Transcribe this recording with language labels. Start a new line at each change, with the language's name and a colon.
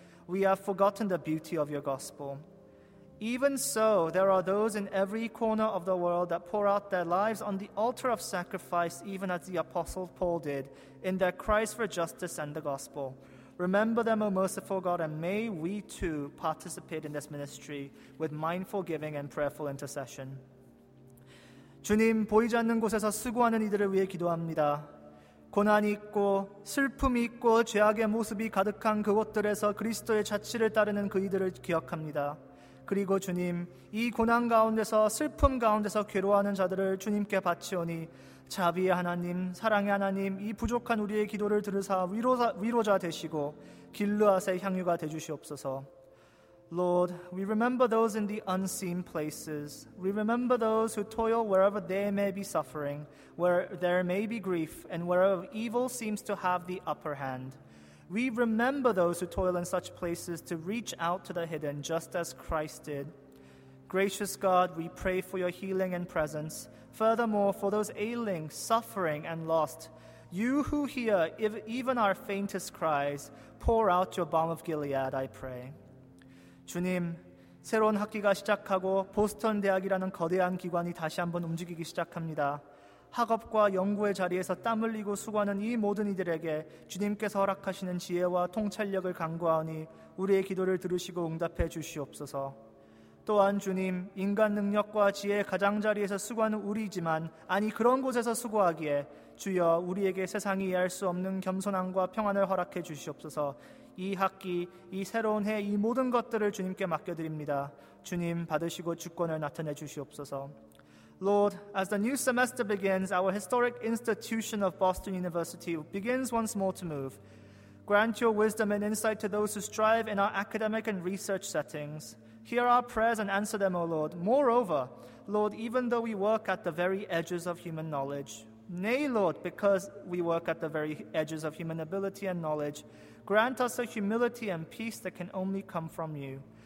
English: We have forgotten the beauty of your gospel. Even so, there are those in every corner of the world that pour out their lives on the altar of sacrifice, even as the Apostle Paul did, in their cries for justice and the gospel. Remember them, O merciful God, and may we too participate in this ministry with mindful giving and prayerful intercession.
Korean: 주님, 보이지 않는 곳에서 수고하는 이들을 위해 기도합니다. 고난이 있고 슬픔이 있고 죄악의 모습이 가득한 그곳들에서 그리스도의 자취를 따르는 그 이들을 기억합니다. 그리고 주님, 이 고난 가운데서 슬픔 가운데서 괴로워하는 자들을 주님께 바치오니 자비의 하나님, 사랑의 하나님, 이 부족한 우리의 기도를 들으사 위로자 되시고 길르앗의 향유가 되주시옵소서.
English: Lord, we remember those in the unseen places. We remember those who toil wherever they may be suffering, where there may be grief, and wherever evil seems to have the upper hand. We remember those who toil in such places to reach out to the hidden, just as Christ did. Gracious God, we pray for your healing and presence. Furthermore, for those ailing, suffering, and lost, you who hear even our faintest cries, pour out your balm of Gilead, I pray.
Korean: 주님, 새로운 학기가 시작하고 보스턴 대학이라는 거대한 기관이 다시 한번 움직이기 시작합니다. 학업과 연구의 자리에서 땀 흘리고 수고하는 이 모든 이들에게 주님께서 허락하시는 지혜와 통찰력을 간구하오니 우리의 기도를 들으시고 응답해 주시옵소서. 또한 주님, 인간 능력과 지혜의 가장자리에서 수고하는 우리이지만 아니 그런 곳에서 수고하기에 주여 우리에게 세상이 이해할 수 없는 겸손함과 평안을 허락해 주시옵소서. 이 학기, 이 새로운 해, 이 모든 것들을 주님께 맡겨드립니다. 주님, 받으시고 주권을 나타내 주시옵소서.
English: Lord, as the new semester begins, our historic institution of Boston University begins once more to move. Grant your wisdom and insight to those who strive in our academic and research settings. Hear our prayers and answer them, O Lord. Moreover, Lord, even though we work at the very edges of human knowledge, nay, Lord, because we work at the very edges of human ability and knowledge, grant us a humility and peace that can only come from you.